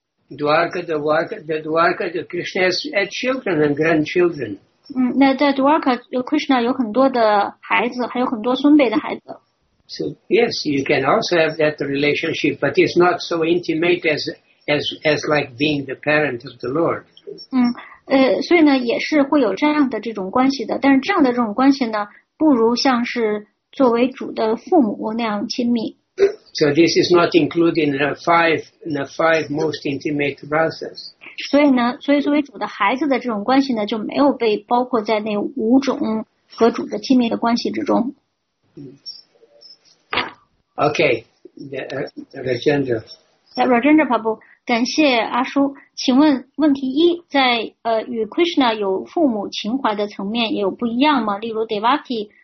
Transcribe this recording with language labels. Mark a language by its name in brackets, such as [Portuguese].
[English] Dwarka, the Krishna has children and grandchildren. [Chinese] 那在 Dwarka, Krishna 有很多的孩子，还有很多孙辈的孩子。 [English] So yes, you can also have that relationship, but it's not so intimate as like being the parent of the Lord. [Chinese] 所以呢，也是会有这样的这种关系的，但是这样的这种关系呢，不如像是作为主的父母那样亲密。 [English] So this is not included in the five most intimate rasas. [Chinese] 所以作为主的孩子的这种关系呢，就没有被包括在那五种和主的亲密的关系之中。 [English] Okay, Rajendra. [Chinese] Rajendra Prabhu, 感谢阿叔。请问问题一，在与 Krishna 有父母情怀的层面也有不一样吗？例如 Devaki。